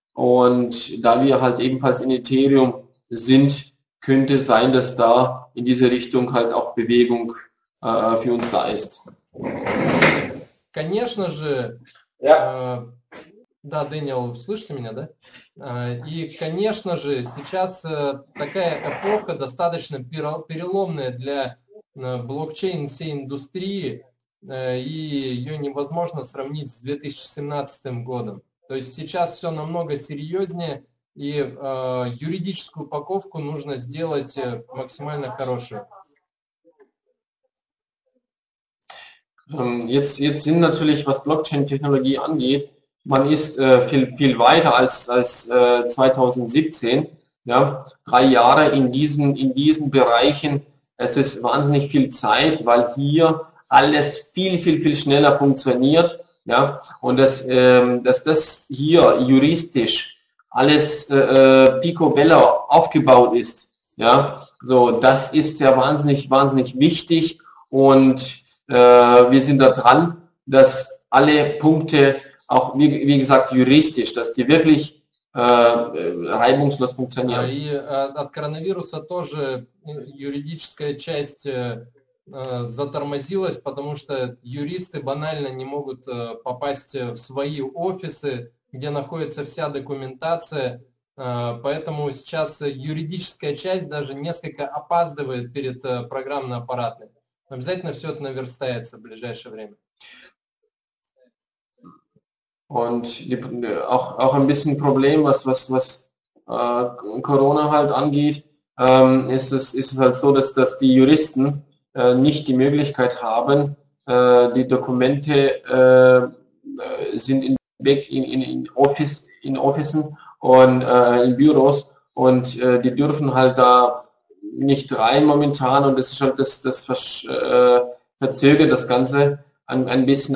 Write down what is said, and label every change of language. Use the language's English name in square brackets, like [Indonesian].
[German] Und da wir halt ebenfalls in Ethereum sind, könnte sein, dass da in diese Richtung halt auch Bewegung für uns da ist. [Russian] Конечно же. [German] Ja. [Russian] Да, Дэниел, слышите меня, да? И, конечно же, сейчас такая эпоха достаточно переломная для блокчейн всей индустрии, и ее невозможно сравнить с 2017 годом. То есть сейчас все намного серьезнее, и юридическую упаковку нужно сделать максимально хорошую. [German] Jetzt sind natürlich, was Blockchain-Technologie angeht, man ist viel weiter als 2017. Ja, 3 Jahre in diesen Bereichen. Es ist wahnsinnig viel Zeit, weil hier alles viel, viel, viel schneller funktioniert. Ja, und dass das hier juristisch alles picobello aufgebaut ist. Ja, so, das ist ja wahnsinnig, wahnsinnig wichtig. Und wir sind da dran, dass alle Punkte auch, wie gesagt, juristisch, dass die wirklich reibungslos funktionieren. [Russian] И от коронавируса тоже юридическая часть затормозилась, потому что юристы банально не могут попасть в свои офисы, где находится вся документация. Поэтому сейчас юридическая часть даже несколько опаздывает перед программно-аппаратной. Обязательно все это наверстается в ближайшее время. [German] Und die, auch ein bisschen Problem, was Corona halt angeht, ist es halt so, dass die Juristen nicht die Möglichkeit haben, die Dokumente sind in Offices und in Büros und die dürfen halt da nicht rein momentan und das ist halt verzögert das Ganze ein bisschen.